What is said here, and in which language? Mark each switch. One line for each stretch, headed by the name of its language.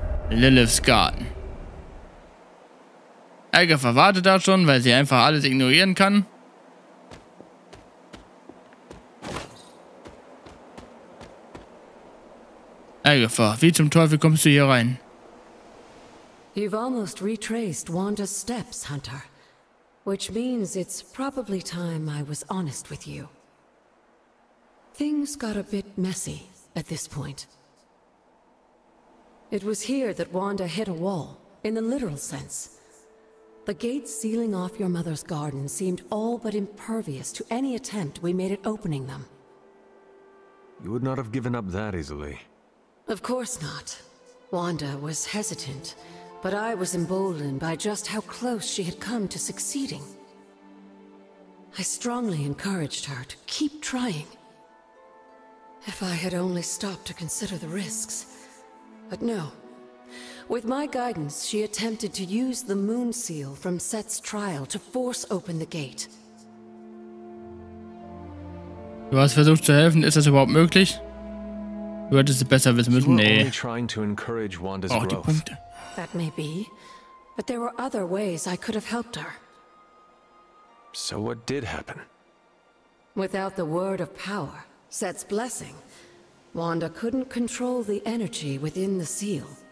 German: Liliths Garten. Elga verwartet da schon, weil sie einfach alles ignorieren kann. Elga, wie zum Teufel kommst du hier rein?
English: You've almost retraced Wanda's steps, Hunter. Which means it's probably time I was honest with you. Things got a bit messy at this point. It was here that Wanda hit a wall, in the literal sense. The gates sealing off your mother's garden seemed all but impervious to any attempt we made at opening them. You would not have given up that easily. Of course not. Wanda was hesitant, but I was emboldened by just how close she had come to succeeding. I strongly encouraged her to keep trying. If I had only stopped to consider the risks. But no. With my guidance, she attempted to use the moon seal from Set's trial to force open the gate.
German: Du hast versucht zu helfen, ist das überhaupt möglich? Du hättest es besser wissen müssen, nee.
English: Trying to encourage Wanda's growth.
German: Die Punkte.
English: That may be, but there were other ways I could have helped her. So what did happen? Without the word of power, Set's blessing, Wanda couldn't control the energy within the seal.